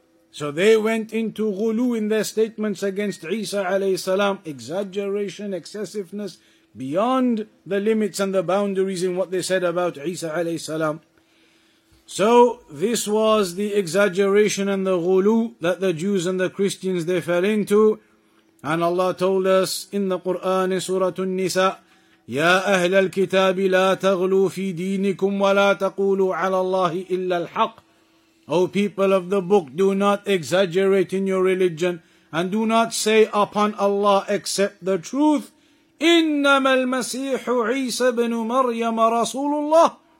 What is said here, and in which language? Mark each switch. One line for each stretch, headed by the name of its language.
English: So they went into ghulu in their statements against Isa alayhi salam. Exaggeration, excessiveness, beyond the limits and the boundaries in what they said about Isa alayhi salam. So this was the exaggeration and the ghulu that the Jews and the Christians, they fell into. And Allah told us in the Quran, Surah An-Nisa, Ya
Arabic: أهل الكتاب لا تغلو في دينكم ولا تقولوا على الله إلا الحق.
English: O people of the book, do not exaggerate in your religion, and do not say upon Allah except the truth.
Arabic: إنما المسيح عيسى بن مريم رسول الله.